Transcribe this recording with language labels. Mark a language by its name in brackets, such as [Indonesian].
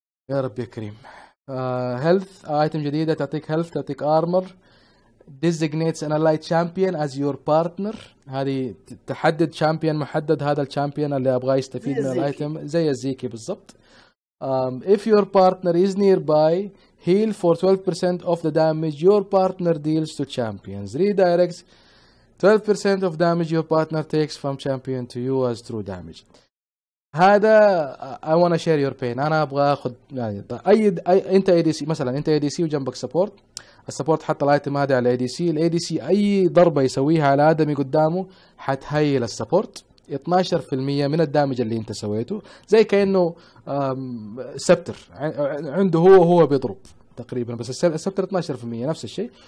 [Arabic] يا رب يا كريم. هيلث ايتم جديده تعطيك هيلث تعطيك ارمر, [English] designates an light champion as your partner, [Arabic] هذه تحدد شامبيون محدد هذا الشامبيون اللي ابغى يستفيد من الايتم زي الزيكي بالضبط. [English] If your partner is nearby heal for 12% of the damage your partner deals to champions redirects 12% of damage your partner takes from champion to you as true damage. [Arabic] هذا [English] I wanna share your pain, [Arabic] أنا أبغى أخذ يعني أنت ADC مثلاً, أنت ADC وجنبك support, السبورت حط الايتم هذا على ADC, ال ADC أي ضربة يسويها على آدمي قدامه حتهيل السبورت 12% من الدامج اللي أنت سويته, زي كأنه سبتر عنده هو بيضرب تقريباً, بس السبتر 12% نفس الشيء.